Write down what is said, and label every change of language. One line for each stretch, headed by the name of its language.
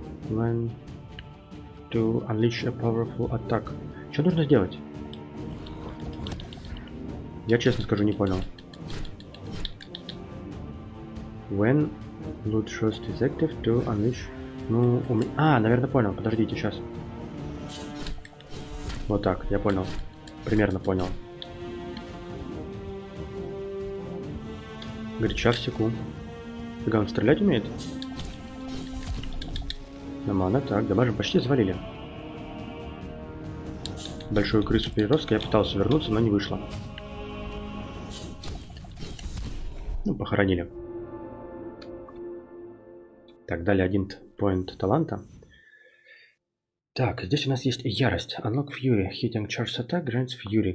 English: When to unleash a powerful attack.
Russian: Что нужно сделать? Я честно скажу, не понял. When loot trust is active to unleash... Ну, у меня... А, наверное, понял. Подождите, сейчас. Вот так, я понял. Примерно понял. Горяча в секу. Фига, он стрелять умеет? На мана, так, дамажем, почти завалили. Большую крысу переростка, я пытался вернуться, но не вышло. Ну, похоронили. Так, далее один поинт таланта. Так, здесь у нас есть ярость.
English: Unlock Fury, hitting charge attack, grants Fury.